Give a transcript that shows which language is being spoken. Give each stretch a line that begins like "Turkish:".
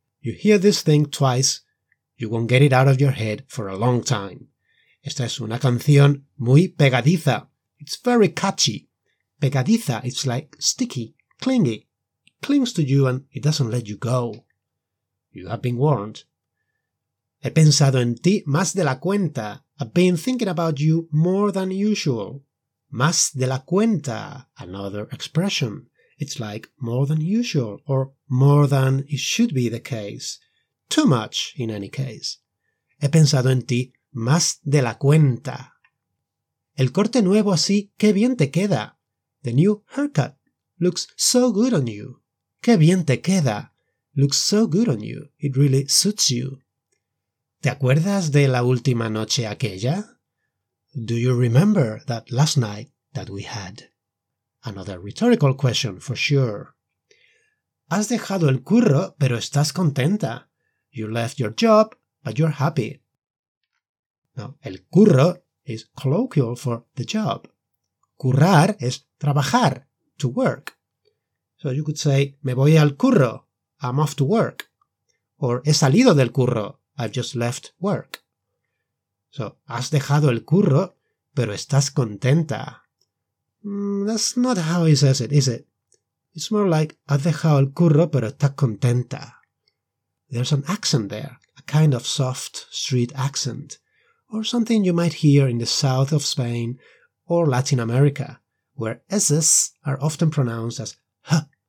English: You hear this thing twice, you won't get it out of your head for a long time.
Spanish: Esta es una canción muy pegadiza.
English: It's very catchy. Pegadiza, it's like sticky, clingy. It clings to you and it doesn't let you go. You have been warned.
Spanish: He pensado en ti más de la cuenta.
English: I've been thinking about you more than usual.
Spanish: Más de la cuenta,
English: another expression. It's like more than usual, or more than it should be the case. Too much, in any case.
Spanish: He pensado en ti más de la cuenta. El corte nuevo así, qué bien te queda.
English: The new haircut looks so good on you.
Spanish: Qué bien te queda.
English: Looks so good on you. It really suits you.
Spanish: ¿Te acuerdas de la última noche aquella?
English: Do you remember that last night that we had? Another rhetorical question, for sure.
Spanish: Has dejado el curro, pero estás contenta.
English: You left your job, but you're happy. No, el curro is colloquial for the job.
Spanish: Currar es trabajar,
English: to work. So you could say,
Spanish: me voy al curro,
English: I'm off to work. Or,
Spanish: he salido del curro,
English: I've just left work.
Spanish: So, has dejado el curro, pero estás contenta.
English: That's not how he says it, is it? It's more like,
Spanish: has dejado el curro, pero estás contenta.
English: There's an accent there, a kind of soft street accent, or something you might hear in the south of Spain or Latin America, where S's are often pronounced as H.